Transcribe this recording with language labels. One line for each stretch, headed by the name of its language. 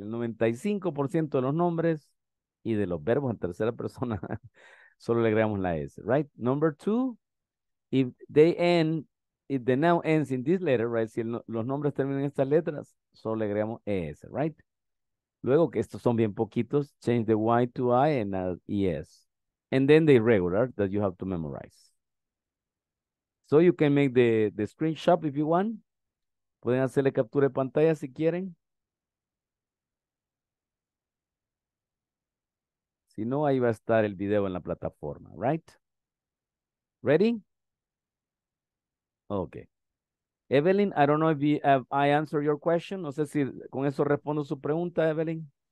Spanish: El 95% de los nombres y de los verbos en tercera persona solo le agregamos la S, right?
English: Number two, if the noun ends in this letter, right?
Spanish: Si los nombres terminan en estas letras, solo le agregamos S, right? Luego, que estos son bien poquitos,
English: change the Y to I and add ES. And then the irregular that you have to memorize. So you can make the screenshot if you want.
Spanish: Pueden hacerle captura de pantalla si quieren. Si no, ahí va a estar el video en la plataforma, right?
English: Ready? Okay. Evelyn, I don't know if I answer your question.
Spanish: No sé si con eso respondo su pregunta, Evelyn.